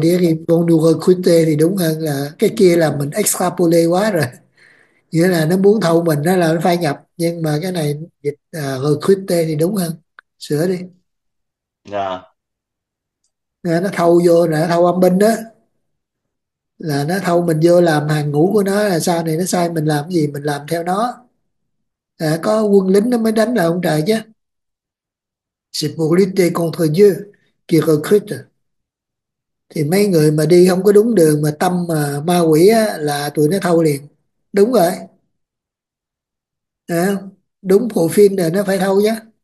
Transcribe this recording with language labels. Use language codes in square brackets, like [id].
[vi] đi khi con đua khởi khuyết tê thì đúng hơn, là cái kia là mình extrapolate quá rồi, nghĩa là nó muốn thâu mình đó là nó phải nhập, nhưng mà cái này dịch khởi khuyết tê thì đúng hơn, sửa đi. À, nó thâu vô nè, thâu âm binh đó, là nó thâu mình vô làm hàng ngũ của nó, là sau này nó sai mình làm gì mình làm theo nó. À, có quân lính nó mới đánh lại ông trời chứ. [fr] C'est pour lutter contre Dieu qui recrute. [vi] Thì mấy người mà đi không có đúng đường mà tâm mà ma quỷ á, là tụi nó thâu liền. Đúng rồi. À, đúng bộ phim là nó phải thâu nhé.